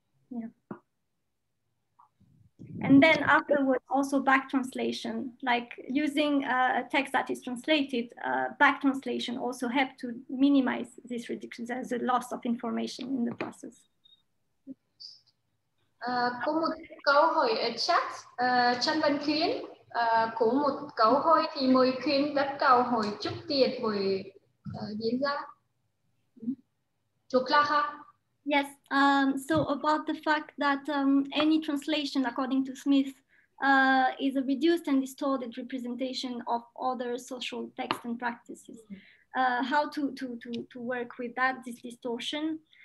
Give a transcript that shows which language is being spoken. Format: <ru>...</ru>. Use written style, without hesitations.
<en>Yeah. And then afterwards, also back translation, like using a text that is translated, back translation also help to minimize this reduction as a loss of information in the process.</en> <vi>Có một câu hỏi ở chat, Trần Văn Khuyên có một câu hỏi thì mời Khuyên đặt câu hỏi trước tiên với diễn giả. Chúc Clara.</vi> <en>Yes, so about the fact that any translation, according to Smith, is a reduced and distorted representation of other social texts and practices. How to work with that, this distortion?</en>